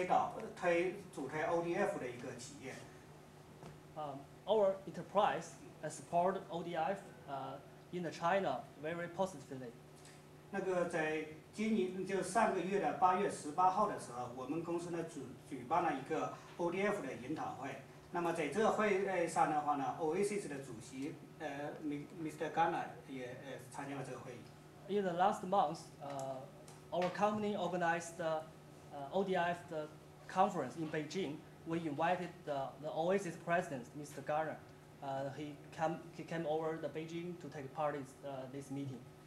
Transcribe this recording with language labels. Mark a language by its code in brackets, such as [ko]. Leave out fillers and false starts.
[zh] 所以我们公司呢，应该是在国内目前为止是最积极在主推 ODF 的一个企业。 [en] Our enterprise support ODF in China very positively. [zh] 那个在今年就上个月的8月18号的时候，我们公司呢举办了一个 ODF 的研讨会。那么在这个会上的话呢 ，Oasis 的主席Mr. Gardner 也参加了这个会议。 [en] In the last month, our company organized the ODF the conference in Beijing. We invited the Oasis president, Mr. Gardner. He came over the Beijing to take part in this meeting.